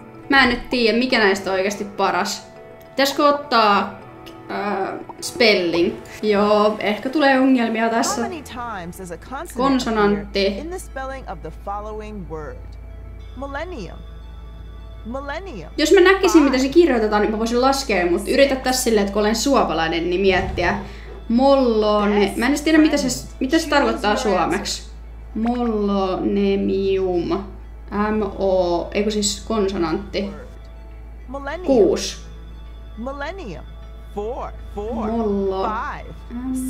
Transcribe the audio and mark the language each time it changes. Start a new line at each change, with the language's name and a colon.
Finnish: Mä en nyt tiedä, mikä näistä on oikeasti paras. Pitäisikö ottaa spelling? Joo, ehkä tulee ongelmia tässä. Konsonantti.
English: In the spelling of the following word. Millennium. Millennium.
Finnish: Jos mä näkisin, mitä se kirjoitetaan, niin mä voisin laskea, mutta yritä tässä silleen, että kun olen suomalainen, niin miettiä. Mollone... Mä en tiedä, mitä se tarkoittaa suomeksi. Mollonemium. M-O... Eikö siis konsonantti? 6. Millennium. 4. Mollo... 5.